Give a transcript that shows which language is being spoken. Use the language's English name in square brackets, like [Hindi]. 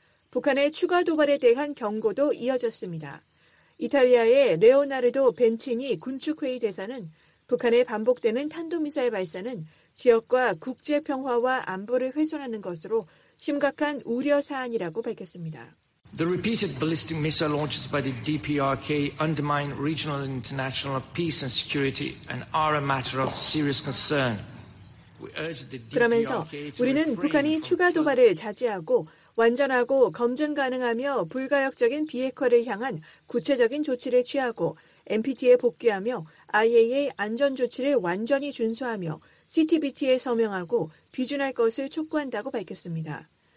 [Korean] 북한의 추가 도발에 대한 경고도 이어졌습니다. 이탈리아의 레오나르도 벤치니 군축회의 대사는 북한의 반복되는 탄도미사일 발사는 지역과 국제 평화와 안보를 훼손하는 것으로 심각한 우려 사안이라고 밝혔습니다. [English] The repeated ballistic missile launches by the DPRK undermine regional and international peace and security and are a matter of serious concern. [Korean] 그러면서 우리는 북한이 추가 도발을 자제하고 완전하고 검증 가능하며 불가역적인 비핵화를 향한 구체적인 조치를 취하고 NPT에 복귀하며 IAEA 안전조치를 완전히 준수하며 CTBT에 서명하고 비준할 것을 촉구한다고 밝혔습니다.